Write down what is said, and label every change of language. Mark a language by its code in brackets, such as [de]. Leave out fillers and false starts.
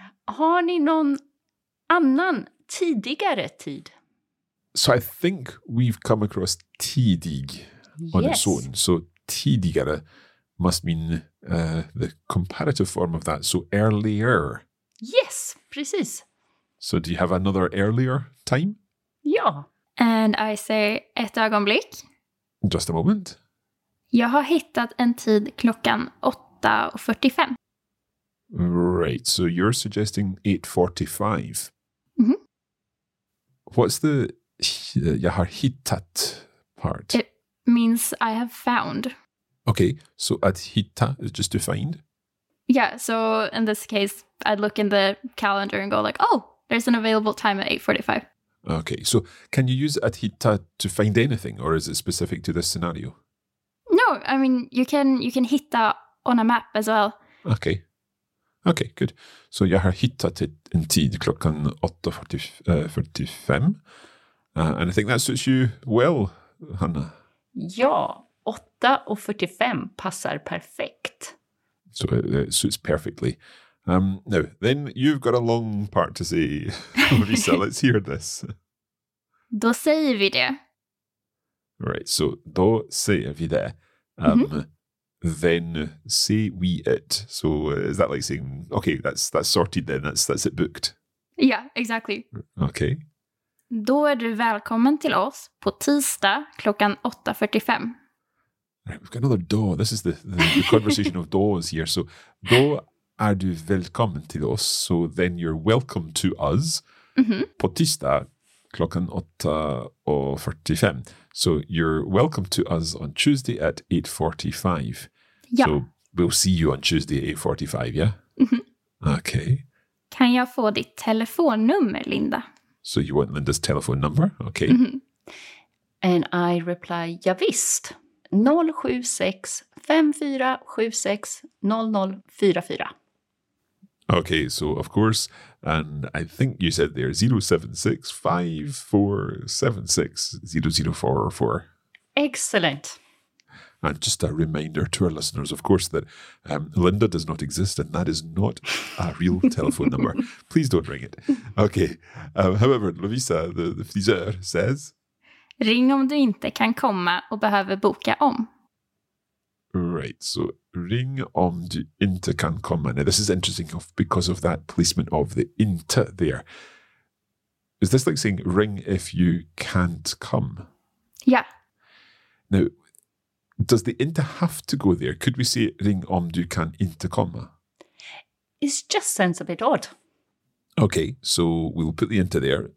[sv] Har ni någon annan tidigare tid? [en] So, I think we've come across tidig on its own. So, tidigare must mean the comparative form of that. So earlier. Yes, precis. So do you have another earlier time? Yeah. And I say [sv] ett ögonblick. [en] Just a moment. [sv] Jag har hittat en tid klockan 8:45. [en] Right, so you're suggesting 8:45. Mm-hmm. What's the [sv] jag har hittat [en] part? It means I have found. Okay, so [sv] att hitta [en] is just to find? Yeah, so in this case, I'd look in the calendar and go like, oh, there's an available time at 8:45. Okay, so can you use [sv] att hitta [en] to find anything, or is it specific to this scenario? No, I mean, you can hitta on a map as well. Okay. Okay, good. [sv] So jag har hittat en tid klockan 8:45. [en] And I think that suits you well, Hanna. [sv] Ja. 8:45 passar perfekt. [en] So it suits perfectly. Now, then you've got a long part to say, Lisa. Let's hear this. [sv] Då säger vi det. [en] Right, so [sv] då säger vi det. [en] Then say we it. So is that like saying, okay, that's sorted then, that's it booked? Yeah, exactly. Okay. [sv] Då är du välkommen till oss på tisdag klockan 8:45. [en] Right, we've got another do. This is the conversation of does here. So do [sv] är du välkommen till oss. [en] So then you're welcome to us [sv] på tisdag klockan 8:45. [en] So you're welcome to us on Tuesday at 8:45. [sv] Ja. [en] So we'll see you on Tuesday at 8:45, yeah? Okay. [sv] Kan jag få ditt telefonnummer, Linda? [en] So you want Linda's telephone number? Okay. And I reply, [sv] ja visst. [en] 076-5476-0044. Okay, so of course, and I think you said there 076-5476-0044. Excellent. And just a reminder to our listeners, of course, that Linda does not exist and that is not a real telephone number. Please don't ring it. Okay. However, Lovisa, the friseur, says... [sv] Ring om du inte kan komma och behöver boka om. [en] Right, so [sv] ring om du inte kan komma. [en] Now, this is interesting because of that placement of the inte there. Is this like saying ring if you can't come? Yeah. Now, does the inte have to go there? Could we say [sv] ring om du kan inte komma? [en] It just sounds a bit odd. Okay, so we'll put the inte there.